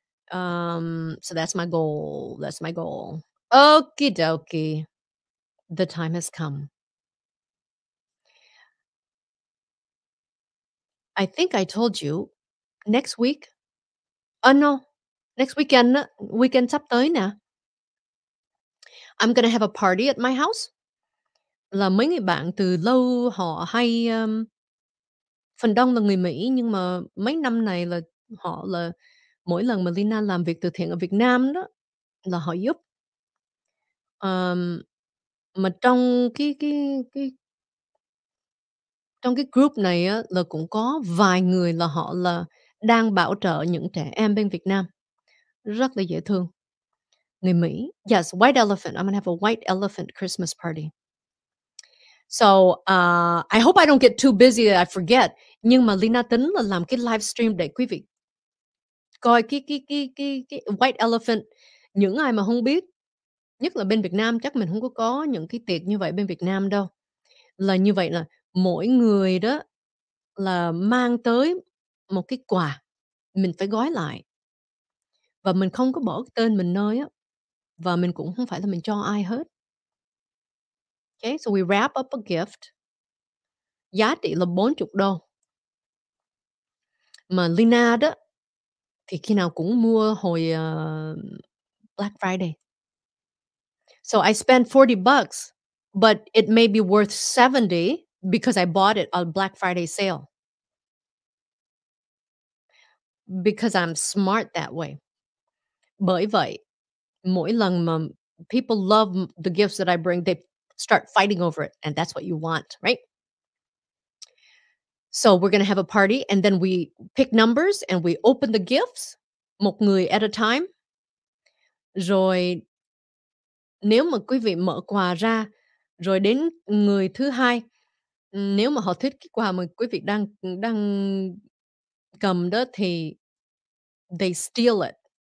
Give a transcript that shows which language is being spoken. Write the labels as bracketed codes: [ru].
[en] So that's my goal. That's my goal. Okie dokie. The time has come. I think I told you. Next week? Next weekend [vi] sắp tới nè. [en] I'm gonna have a party at my house. [vi] Là mấy người bạn từ lâu họ hay phần đông là người Mỹ, nhưng mà mấy năm này là họ là mỗi lần mà Lina làm việc từ thiện ở Việt Nam đó là họ giúp. Mà trong cái group này á, là cũng có vài người là họ là đang bảo trợ những trẻ em bên Việt Nam. Rất là dễ thương. Người Mỹ. [en] Yes, white elephant. I'm going to have a white elephant Christmas party. So, I hope I don't get too busy that I forget. [vi] Nhưng mà Lina tính là làm cái live stream để quý vị coi cái white elephant. Những ai mà không biết, nhất là bên Việt Nam, chắc mình không có những cái tiệc như vậy bên Việt Nam đâu. Là như vậy là mỗi người đó là mang tới một cái quà, mình phải gói lại. Và mình không có bỏ tên mình nơi á. Và mình cũng không phải là mình cho ai hết. [en] Okay, so we wrap up a gift. [vi] Giá trị là $40. Mà Lina đó, thì khi nào cũng mua hồi Black Friday. [en] So I spent $40, but it may be worth $70 because I bought it on Black Friday sale. Because I'm smart that way. [vi] Bởi vậy, mỗi lần mà [en] people love the gifts that I bring, they start fighting over it. And that's what you want, right? So we're going to have a party. And then we pick numbers and we open the gifts. [vi] Một người [en] at a time. [vi] Rồi nếu mà quý vị mở quà ra, rồi đến người thứ hai, nếu mà họ thích cái quà mà quý vị đang đang cầm đó thì [en] they steal it.